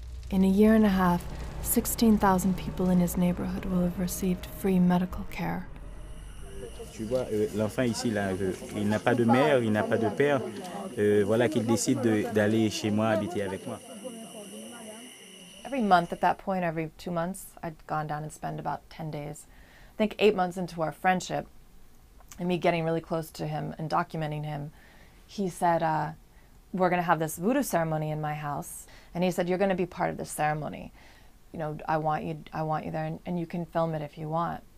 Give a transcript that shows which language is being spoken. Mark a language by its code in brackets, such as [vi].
[en] In a year and a half, 16,000 people in his neighborhood will have received free medical care. [fr] Tu vois, l'enfant ici là, il n'a pas de mère, il n'a pas de père. Voilà qu'il décide d'aller chez moi habiter avec moi. [en] Every month at that point, every 2 months, I'd gone down and spend about 10 days. I think 8 months into our friendship, and me getting really close to him and documenting him, he said, we're going to have this voodoo ceremony in my house. And he said, you're going to be part of this ceremony. You know, I want you there, and you can film it if you want.